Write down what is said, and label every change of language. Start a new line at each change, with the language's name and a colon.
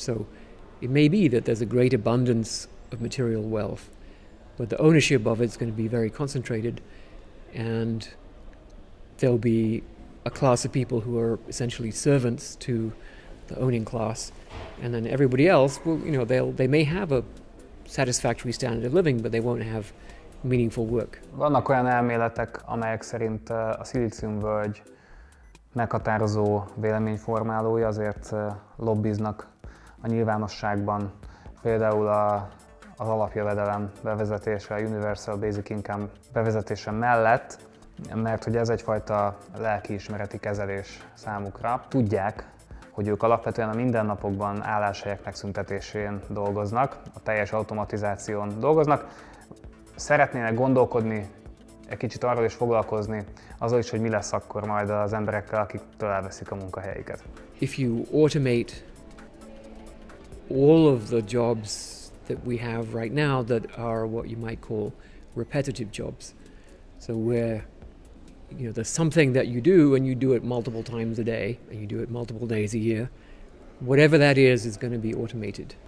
English: So it may be that there's a great abundance of material wealth, but the ownership of it's going to be very concentrated, and there'll be a class of people who are essentially servants to the owning class, and then everybody else will, you know, they may have a satisfactory standard of living, but they won't have meaningful work.
Hungarian: Vannak olyan elméletek, amelyek szerint a szilíciumvölgy meghatározó véleményformálója, azért lobbiznak a nyilvánosságban, például az alapjövedelem bevezetése, a Universal Basic Income bevezetése mellett, mert hogy ez egyfajta lelkiismereti kezelés számukra. Tudják, hogy ők alapvetően a mindennapokban álláshelyek megszüntetésén dolgoznak, a teljes automatizáción dolgoznak. Szeretnének gondolkodni egy kicsit arról is foglalkozni azzal is, hogy mi lesz akkor majd az emberekkel, akik elveszik a munkahelyiket.
English: If you automate all of the jobs that we have right now that are what you might call repetitive jobs, so where, you know, there's something that you do and you do it multiple times a day and you do it multiple days a year, whatever that is going to be automated.